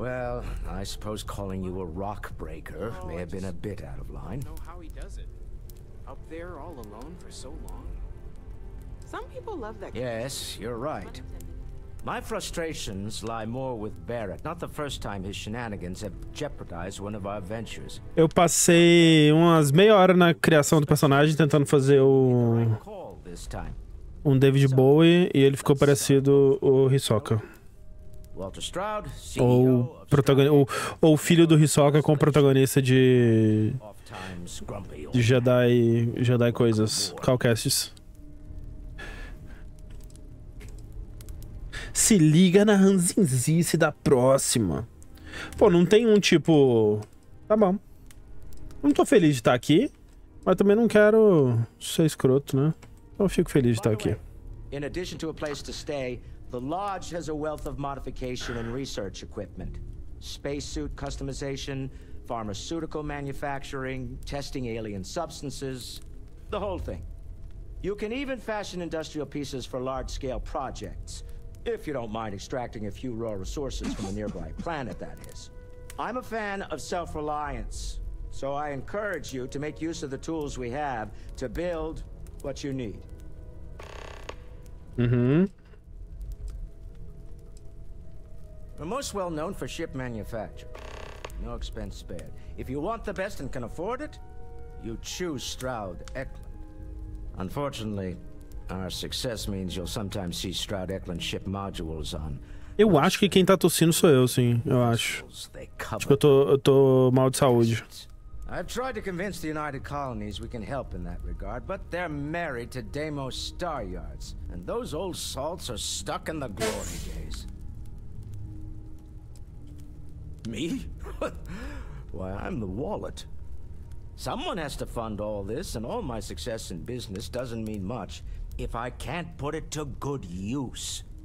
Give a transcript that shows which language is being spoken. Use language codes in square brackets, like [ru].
[en] Well, I suppose calling you a rock breaker may have been a bit out of line. Know how he does it. Up there, all alone for so long. Some people love that. Yes, you're right. My frustrations lie more with Barrett. Not the first time his shenanigans have jeopardized one of our ventures. [pt] Eu passei umas meia hora na criação do personagem tentando fazer o David Bowie e ele ficou parecido o Hisoka. [en] Walter Stroud, [pt] ou o filho do Hisoka com o protagonista de Jedi coisas, Calcasts. Se liga na ranzinzice da próxima. Pô, não tem um tipo. Tá bom. Não tô feliz de estar aqui, mas também não quero ser escroto, né? Então fico feliz de estar aqui. [en] In addition to a place to stay, the lodge has a wealth of modification and research equipment. Spacesuit customization, pharmaceutical manufacturing, testing alien substances, the whole thing. You can even fashion industrial pieces for large-scale projects, if you don't mind extracting a few raw resources from a nearby planet, that is. I'm a fan of self-reliance, so I encourage you to make use of the tools we have to build what you need. Mm-hmm. We're most well-known for ship manufacture. No expense spared. If you want the best and can afford it, you choose Stroud Eklund. Unfortunately, our success means you'll sometimes see Stroud Eklund ship modules on. [pt] Eu acho que quem tá tossindo sou eu, sim. Eu acho. Acho que eu tô mal de saúde. [en] I've tried to convince the United Colonies we can help in that regard, but they're married to Deimos Star Yards, and those old salts are stuck in the glory days. Me? Why, I'm the wallet. Someone has to fund all this, and all my success in business doesn't mean much if I can't put it to good use.